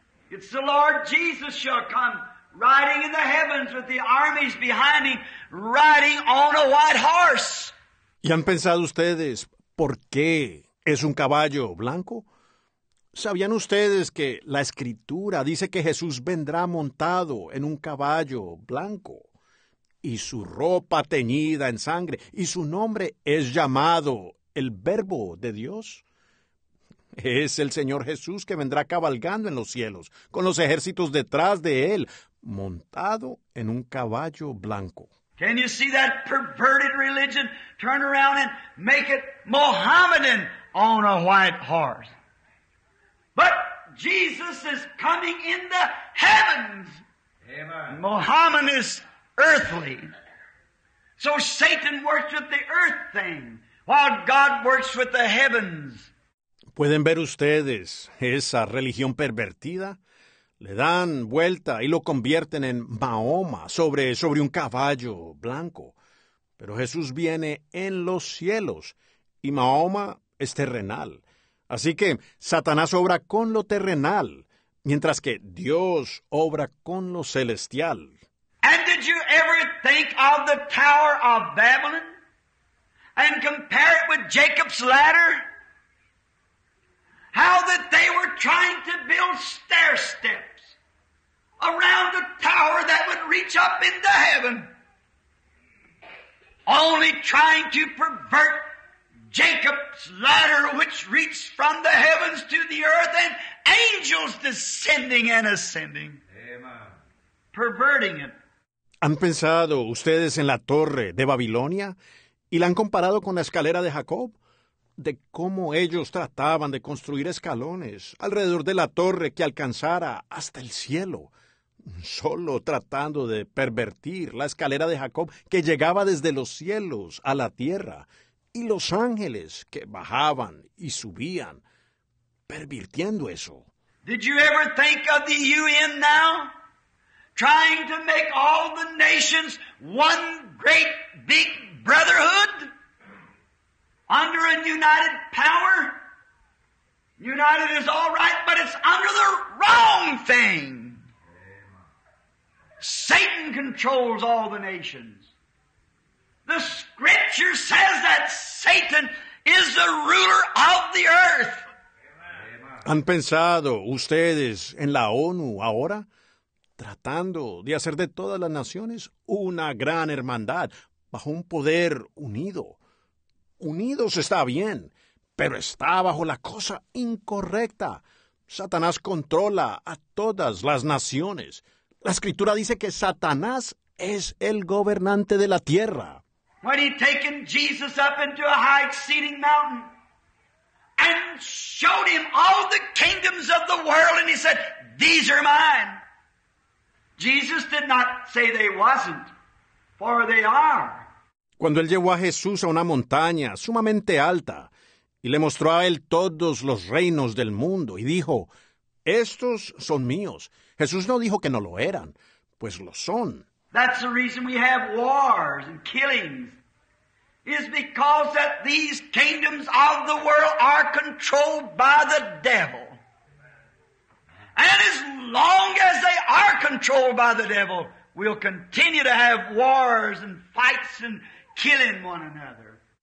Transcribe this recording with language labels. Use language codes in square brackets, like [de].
[en] It's the Lord Jesus shall come riding in the heavens with the armies behind him, riding on a white horse. [es] ¿Y han pensado ustedes por qué es un caballo blanco? ¿Sabían ustedes que la Escritura dice que Jesús vendrá montado en un caballo blanco y su ropa teñida en sangre y su nombre es llamado el Verbo de Dios? Es el Señor Jesús que vendrá cabalgando en los cielos, con los ejércitos detrás de Él, montado en un caballo blanco. [en] Can you see that perverted religion turn around and make it Mohammedan on a white horse? But Jesus is coming in the heavens. Amen. Mohammed is earthly. So Satan works with the earth thing, while God works with the heavens. [es] ¿Pueden ver ustedes esa religión pervertida? Le dan vuelta y lo convierten en Mahoma sobre un caballo blanco. Pero Jesús viene en los cielos y Mahoma es terrenal. Así que Satanás obra con lo terrenal, mientras que Dios obra con lo celestial. [en] And did you ever think of the Tower of Babylon and compare it with Jacob's ladder? How that they were trying to build stair steps around a tower that would reach up into heaven, only trying to pervert Jacob's ladder, which reached from the heavens to the earth, and angels descending and ascending. Amen. Perverting it. [es] ¿Han pensado ustedes en la torre de Babilonia y la han comparado con la escalera de Jacob? De cómo ellos trataban de construir escalones alrededor de la torre que alcanzara hasta el cielo, solo tratando de pervertir la escalera de Jacob que llegaba desde los cielos a la tierra, y los ángeles que bajaban y subían, pervirtiendo eso. [en] Did you ever think of the UN now? Trying to make all the nations one great big brotherhood? Under a united power? United is all right, but it's under the wrong thing. Satan controls all the nations. The scripture says that Satan is the ruler of the earth. [es] ¿Han pensado ustedes en la ONU ahora? Tratando de hacer de todas las naciones una gran hermandad bajo un poder unido. Unidos está bien, pero está bajo la cosa incorrecta. Satanás controla a todas las naciones. La Escritura dice que Satanás es el gobernante de la tierra. [en] When he taken Jesus up into a high exceeding mountain and showed him all the kingdoms of the world and he said, these are mine. Jesus did not say they wasn't, for they are. [es] Cuando él llevó a Jesús a una montaña sumamente alta y le mostró a él todos los reinos del mundo y dijo, estos son míos. Jesús no dijo que no lo eran, pues lo son. [en] That's the reason we have wars and killings, is because that these kingdoms of the world are controlled by the devil. And as long as they are controlled by the devil, we'll continue to have wars and fights and killing one another.